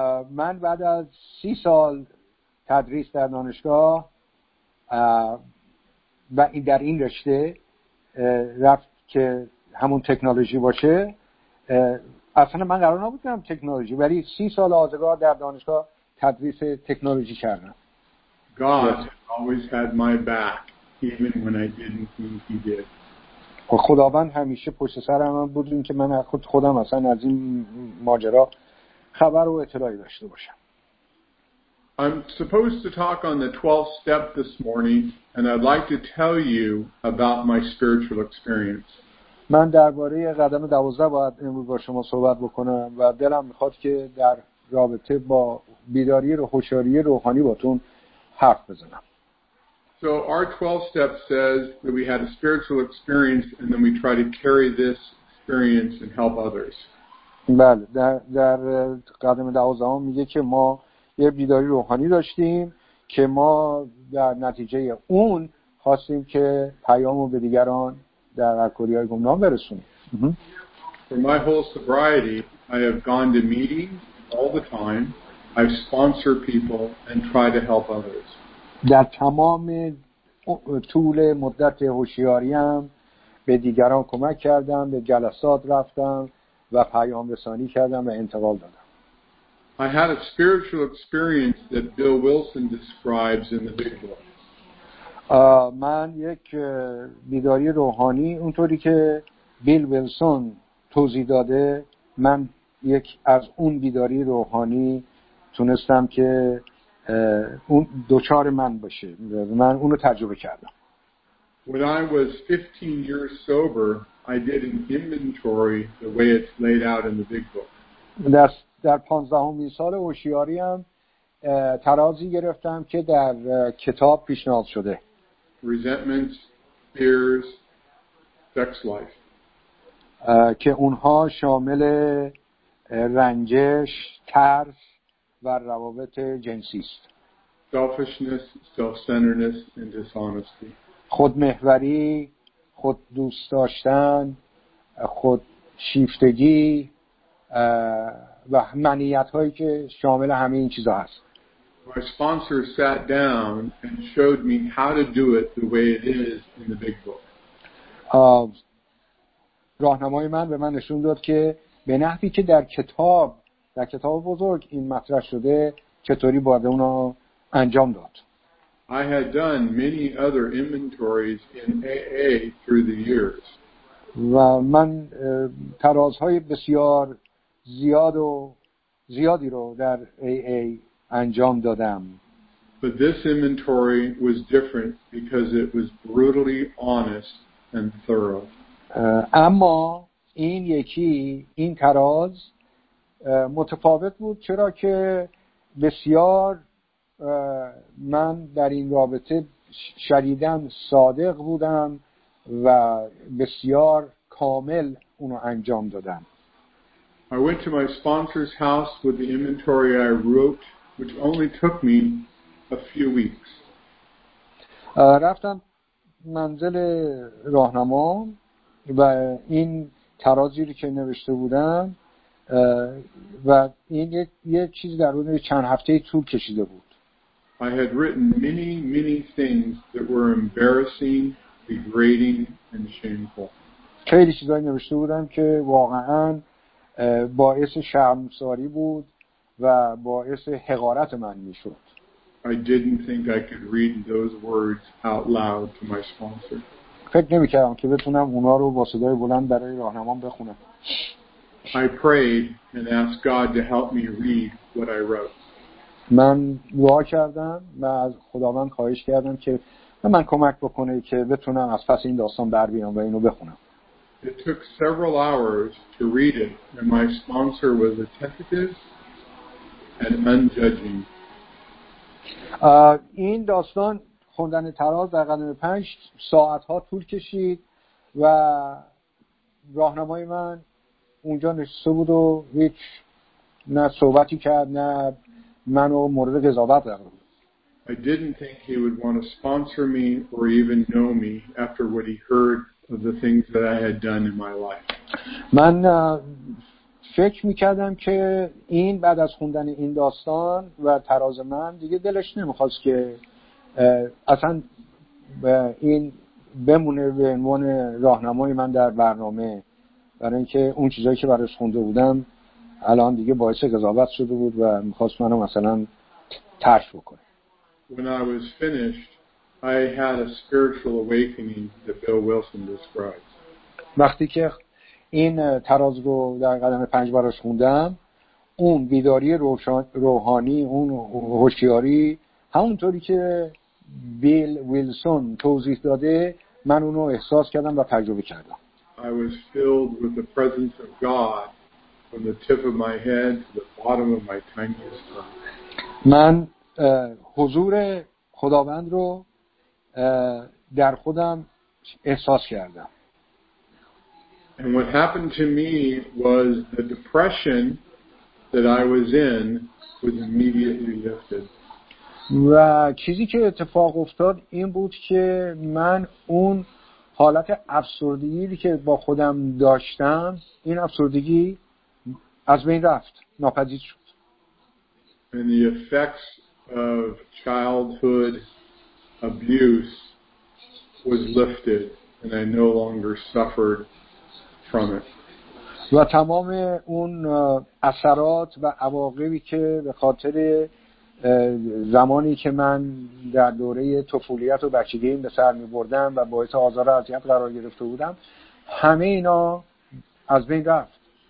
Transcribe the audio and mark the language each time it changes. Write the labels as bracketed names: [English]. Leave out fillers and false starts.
[Persian] من بعد از 30 سال تدریس در دانشگاه و در این رشته رفت که همون تکنولوژی باشه. اصلا من قرار نبودم تکنولوژی، ولی 30 سال آزگار در دانشگاه تدریس تکنولوژی کردم. [English] God always had my back even when I didn't think he did. [Persian] خداوند همیشه پشت سر من بود، این که من خودم اصلا از این ماجرا خبر و اطلاعی داشته باشم. [English] I'm supposed to talk on the 12th step this morning and I'd like to tell you about my spiritual experience. [Persian] من درباره قدم 12 باید امروز با شما صحبت بکنم و دلم میخواد که در رابطه با بیداری و هوشیاری روحانی باتون حرف بزنم. [English] So our 12th step says that we had a spiritual experience and then we try to carry this experience and help others. [Persian] بله، در قدم 12 میگه که ما یه بیداری روحانی داشتیم که ما در نتیجه اون خواستیم که پیامو به دیگران در کوریای گمنام برسونیم. [English] For my whole sobriety, I have gone to meetings all the time. I've sponsored people and try to help others. [Persian] در تمام طول مدت هوشیاریم به دیگران کمک کردم، به جلسات رفتم و پیام رسانی کردم و انتقال دادم. [English] I had a spiritual experience that Bill Wilson describes in the Big Book. [Persian] من یک بیداری روحانی اونطوری که بیل ویلسون توضیح داده، من یک از اون بیداری روحانی تونستم که اون دوچار من بشه، من اونو تجربه کردم. [English] When I was 15 years sober, I did an inventory the way it's laid out in the Big Book. [Persian] در 15 سال هوشیاریم ترازی گرفتم که در کتاب پیشنهاد شده. [English] Resentments, fears, sex life. [Persian] که اونها شامل رنجش، ترس و روابط جنسی است. [English] Selfishness, self-centeredness and dishonesty. [Persian] خودمحوری، خود دوست داشتن، خود شیفتگی و منیت‌هایی که شامل همه این چیزا هست. [English] My sponsor sat down and showed me how to do it the way it is in the Big Book. [Persian] راهنمای من به من نشون داد که به نحوی که در کتاب بزرگ این مطرح شده چطوری باید اونو انجام داد. [English] I had done many other inventories in AA through the years. [Persian] و من ترازهای بسیار زیادی رو در AA انجام دادم. [English] But this inventory was different because it was brutally honest and thorough. [Persian] اما این یکی، این تراز متفاوت بود، چرا که بسیار من در این رابطه شدیداً صادق بودم و بسیار کامل اونو انجام دادم. [English] I went to my sponsor's house with the inventory I wrote, which only took me a few weeks. [Persian] رفتم منزل راهنمام و این ترازی رو که نوشته بودم و این یه چیز در اون چند هفته طول کشیده بود. [English] I had written many, many things that were embarrassing, degrading, and shameful. [Persian] خیلی چیزایی نوشته بودم که واقعاً باعث شرمساری بود و باعث حقارت من میشد. [English] I didn't think I could read those words out loud to my sponsor. [Persian] فکر نمی‌کردم که بتونم اونا رو با صدای بلند برای راهنمام بخونم. [English] I prayed and asked God to help me read what I wrote. [Persian] من دعا کردم و از خداوند خواهش کردم که من کمک بکنه که بتونم از پس این داستان بر بیام و اینو بخونم. [English] It took several hours to read it, and my sponsor was attentive and unjudging. [Persian] این داستان خوندن تراز در قدم 5 ساعت‌ها طول کشید و راهنمای من اونجا نشسته بود و هیچ نه صحبتی کرد نه منو مورد قضاوت قرار داد. [English] I didn't think he would want to sponsor me or even know me after what he heard of the things that I had done in my life. [Persian] من فکر می‌کردم که این بعد از خوندن این داستان و تراز من دیگه دلش نمی‌خواست که اصلا این بمونه به عنوان راهنمای من در برنامه برای اینکه اون چیزایی که براش خونده بودم الان دیگه باعث قضاوت شده بود و می‌خواست منو مثلا ترش بکنه. [English] When I was finished, I had a spiritual awakening that Bill Wilson describes. [Persian] وقتی که این تراز رو در قدم پنج براش خوندم، اون بیداری روحانی، اون هوشیاری، همونطوری که بیل ویلسون توضیح داده، من اونو احساس کردم و تجربه کردم. [English] I was filled with the presence of God from the tip of my head to the bottom of my tiniest toe. [Persian] من حضور خداوند رو در خودم احساس کردم. [English] And what happened to me was the depression that I was in was immediately lifted. [Persian] و چیزی که اتفاق افتاد این بود که من اون حالت افسردگی که با خودم داشتم، این افسردگی از بین رفت، ناپدید شد. [English] And the effects of childhood abuse was lifted and I no longer suffered from it. [Persian] و تمام اون اثرات و عواقبی که به خاطر زمانی که من در دوره طفولیت و بچگیم به سر می بردم و باعث آزار و اذیت قرار گرفته بودم، همه اینا از بین رفت.